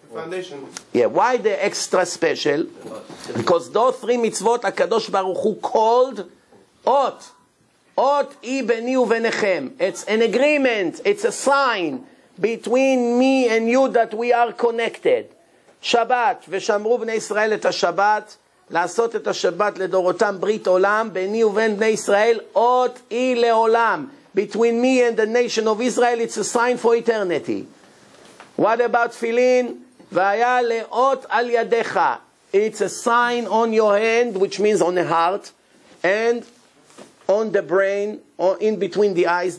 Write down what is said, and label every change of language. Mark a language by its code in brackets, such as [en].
[en] foundation. Yeah, why the extra special? Because those three mitzvot HaKadosh Baruch Hu called Ot. [he] Ot I beni uvenechem. [en] It's an agreement, it's a sign between me and you that we are connected. [he] Shabbat, ושמרו בני ישראל את השבת, לעשות את השבת לדורותם ברית עולם, ביני ובין בני ישראל, עוד אי לעולם. [en] Between me and the nation of Israel, it's a sign for eternity. What about [he] תפילין? והיה לאות על ידיך. [en] It's a sign on your hand, which means on the heart, and on the brain, or in between the eyes.